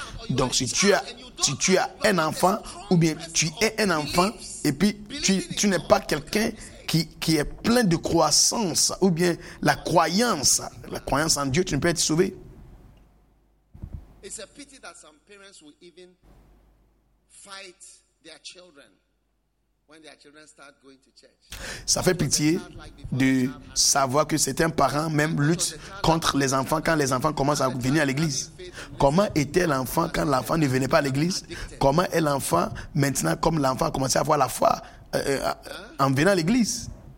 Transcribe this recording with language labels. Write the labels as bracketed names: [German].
[French] Donc si tu as un enfant ou bien tu es un enfant et puis tu n'es pas quelqu'un qui est plein de croissance ou bien la croyance en Dieu, tu ne peux être sauvé. [English] It's a pity that some parents will even fight their children when their children start going to church. [French] Ça fait pitié de savoir que certains parents même luttent contre les enfants quand les enfants commencent à venir à l'église. Comment était l'enfant quand l'enfant ne venait pas à l'église? Comment est l'enfant maintenant comme l'enfant a commencé à avoir la foi en venant à l'église?